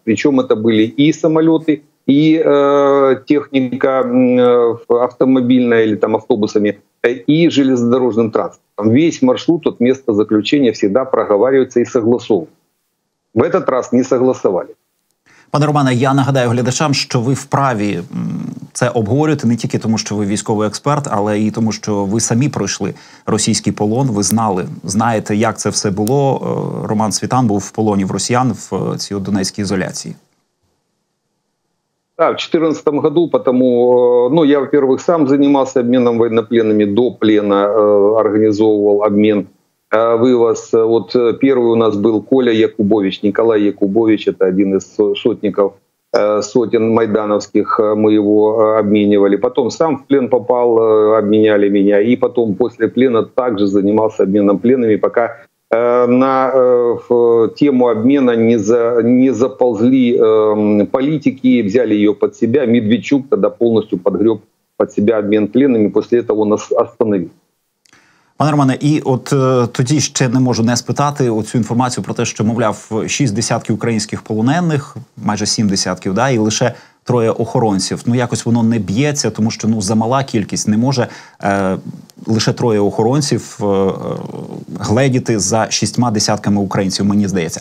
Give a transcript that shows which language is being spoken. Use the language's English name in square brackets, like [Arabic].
[Russian] Причем это были и самолеты, и техника автомобильная или там автобусами, и железнодорожным транспортом. Весь маршрут от места заключения всегда проговаривается и согласовывается. В этот раз не согласовали. [Ukrainian] Пане Романе, я нагадаю глядачам, що ви вправі це обговорювати не тільки тому, що ви військовий експерт, але і тому, що ви самі пройшли російський полон, ви знаєте, як це все було. Роман Світан був в полоні в росіян в цій донецькій ізоляції. [Russian] Так, в 2014 году, потому, ну, я, во-первых, сам занимался обменом военнопленными, до плена организовывал обмен, вывоз. Вот первый у нас был Коля Якубович, Николай Якубович, это один из сотников, сотен майдановских, мы его обменивали. Потом сам в плен попал, обменяли меня, и потом после плена также занимался обменом пленными, пока в тему обмена не заползли политики, взяли ее под себя. Медведчук тогда полностью подгреб под себя обмен пленными, после этого нас остановил. [Ukrainian] Пане Романе, і от тоді ще не можу не спитати оцю інформацію про те, що, мовляв, 6 десятків українських полонених, майже 7 десятків, да, і лише троє охоронців. Ну, якось воно не б'ється, тому що, ну, замала кількість, не може лише троє охоронців гледіти за 6 десятками українців, мені здається.